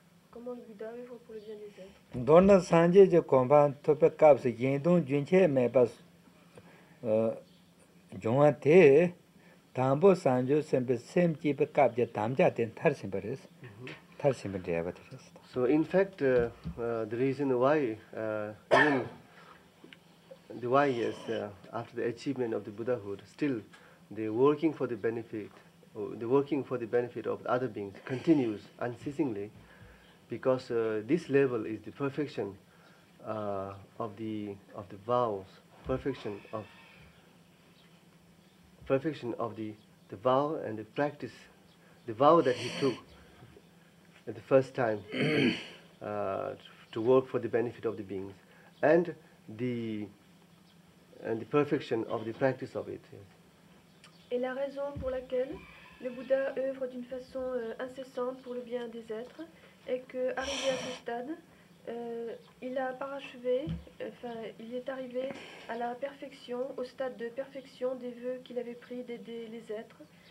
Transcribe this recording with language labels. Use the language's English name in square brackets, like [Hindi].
[French] Comment le Bouddha œuvre pour le bien des êtres. Donne sanje je comprends tout le cas c'est bien donc d'une chose mais parce j'en ai des tambo sanje simple simple type cas je tamja ten thar simple des thar. [English] So in fact, the reason why even the wise after the achievement of the Buddhahood, still the working for the benefit, the working for the benefit of other beings continues unceasingly, because this level is the perfection of the vows, perfection of the vow and the practice, the vow that he took. The first time to work for the benefit of the beings, and the perfection of the practice of it. Yes. [French] Et la raison pour laquelle le Bouddha œuvre d'une façon incessante pour le bien des êtres est que arrivé à ce stade, il a parachevé, enfin, il est arrivé à la perfection, au stade de perfection des vœux qu'il avait pris d'aider les êtres.